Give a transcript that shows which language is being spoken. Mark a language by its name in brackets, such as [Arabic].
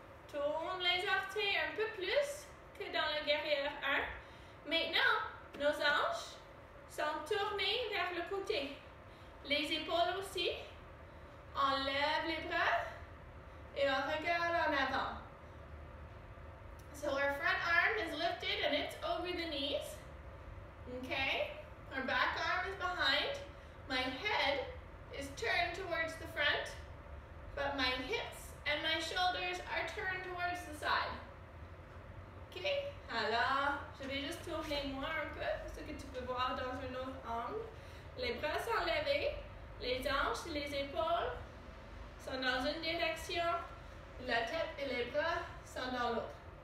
[French] Tourne les orteils un peu plus que dans le guerrier 1. Maintenant, nos hanches sont tournées vers le côté. Les épaules aussi. Enlève les bras et on regarde en avant. [English] So our front arm is lifted and it's over the knees. Okay. Our back arm is behind. My head is turned towards the front, but my hips and my shoulders are turned towards the side. Okay? [French] Alors, je vais juste tourner moi un peu, ce que tu peux voir dans un autre angle. Les bras sont levés, les hanches et les épaules sont dans une direction, la tête et les bras sont dans l'autre.